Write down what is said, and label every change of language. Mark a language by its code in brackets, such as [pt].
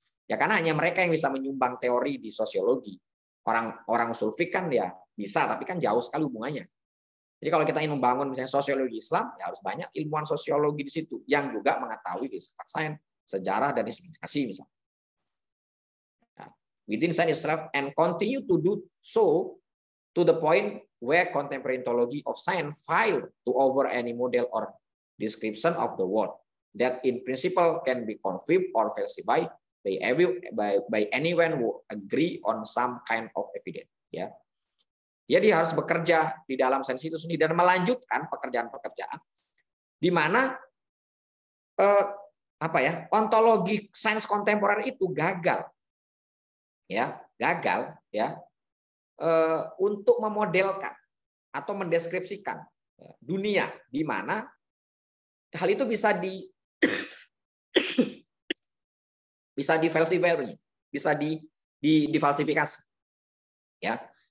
[id] Ya karena hanya mereka yang bisa menyumbang teori di sosiologi. Orang usul fik kan ya bisa, tapi kan jauh sekali hubungannya. Jadi kalau kita ingin membangun misalnya sosiologi Islam, ya harus banyak ilmuwan sosiologi di situ yang juga mengetahui filsafat sains, sejarah dan islamisasi misalnya. [en] Within science itself and continue to do so to the point where contemporary ontology of science fail to offer any model or description of the world that in principle can be confirmed or falsified by anyone who agree on some kind of evidence. Ya, [id] Ya, dia harus bekerja di dalam sensi itu sendiri dan melanjutkan pekerjaan-pekerjaan di mana ontologi sains kontemporer itu gagal. Ya, gagal ya. Untuk memodelkan atau mendeskripsikan dunia di mana hal itu bisa di bisa difalsifikasi, bisa difalsifikasi. Ya.